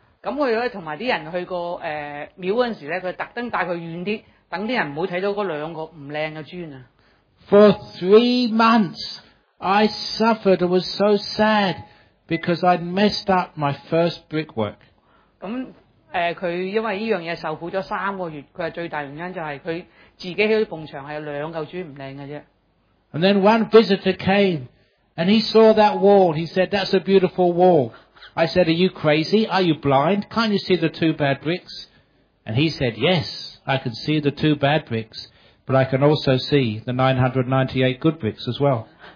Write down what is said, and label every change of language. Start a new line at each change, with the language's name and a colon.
Cantonese: 咁佢咧同埋啲人去個廟嗰陣時咧，佢特登帶佢遠啲，等啲人唔好睇到嗰兩個唔靚嘅磚啊。
English: For 3 months, I suffered and was so sad because I'd messed up my first brickwork.
Cantonese: 咁佢因為呢樣嘢受苦咗3個月，佢話最大原因就係佢。自己起咗埲牆係兩嚿磚唔靚嘅啫。
English: And then one visitor came, and he saw that wall. He said, "That's a beautiful wall." I said, "Are you crazy? Are you blind? Can't you see the two bad bricks?" And he said, "Yes, I can see the two bad bricks, but I can also see the 998 good bricks as well."